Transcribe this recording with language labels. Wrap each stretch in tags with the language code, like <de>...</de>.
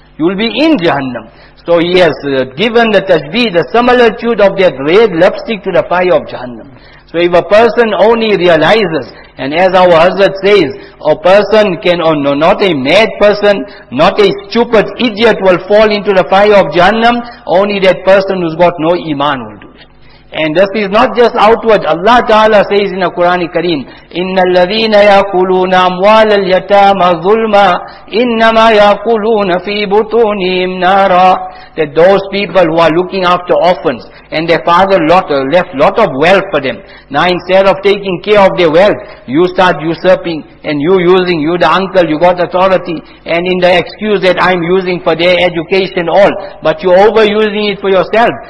<en>You'll be in Jahannam. So he has given the tajbih, the similitude of that red lipstick to the fire of Jahannam. So if a person only realizes, and as our Hazrat says, a person can, or no, not a mad person, not a stupid idiot will fall into the fire of Jahannam, only that person who's got no iman will do it. And this is not just outward. Allah Ta'ala says in the Quran Kareem,</en> <ar>إِنَّ الَّذِينَ يَاكُلُونَ أَمْوَالَ الْيَتَامَ ظُلْمًا إِنَّمَا يَاكُلُونَ فِي بُطُونِهِمْ نَارًا.</ar> <en>That those people who are looking after orphans, and their father left lot of wealth for them. Now instead of taking care of their wealth, you start usurping, and you the uncle, you got authority, and in the excuse that I'm using for their education all, but you're overusing it for yourself.</en>